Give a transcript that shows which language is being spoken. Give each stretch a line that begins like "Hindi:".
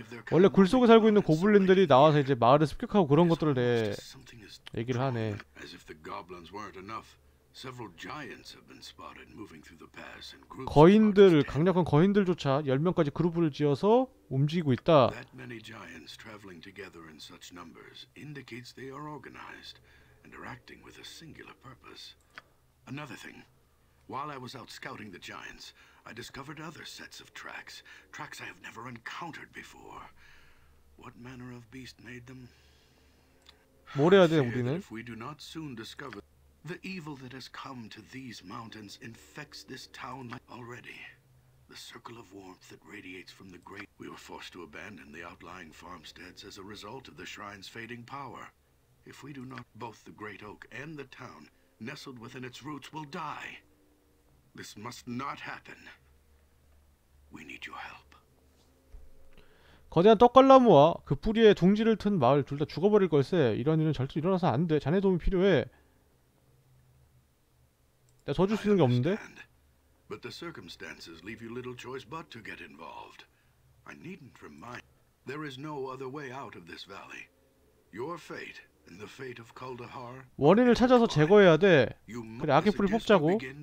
Korean: 원래 굴 속에 살고 있는 고블린들이 나와서 이제 마을을 습격하고 그런 것들을 내 얘기를 하네.
English: As if the goblins weren't enough. Several giants have been spotted moving through the pass and groups.
Korean: 거인들, 강력한 거인들조차 10명까지 그룹을 지어서 움직이고 있다.
English: That many giants traveling together in such numbers indicates they are organized and are acting with a singular purpose. Another thing. While I was out scouting the giants, I discovered other sets of tracks, tracks I have never encountered before. What manner of beast made them?
Korean: 뭘 해야 돼, 우리는?
English: If we do not soon discover The evil that has come to these mountains infects this town already. The circle of warmth that radiates from the great... We were forced to abandon the outlying farmsteads as a result of the shrine's fading power. If we do not, both the great oak and the town, nestled within its roots, will die. This must not happen. We need your help.
Korean: 거대한 떡갈나무와 그 뿌리에 둥지를 튼 마을 둘 다 죽어버릴 걸세. 이런 일은 절대 일어나서 안 돼. 자네 도움이 필요해. 내가 져줄 수 있는 게 없는데?
English: But the circumstances leave you little choice but to get involved. I needn't remind. There is no other way out of this valley. Your fate and the fate of Kaldahar.
Korean: 원인을 찾아서 제거해야 돼. 그래, 악의 뿌리 뽑자고.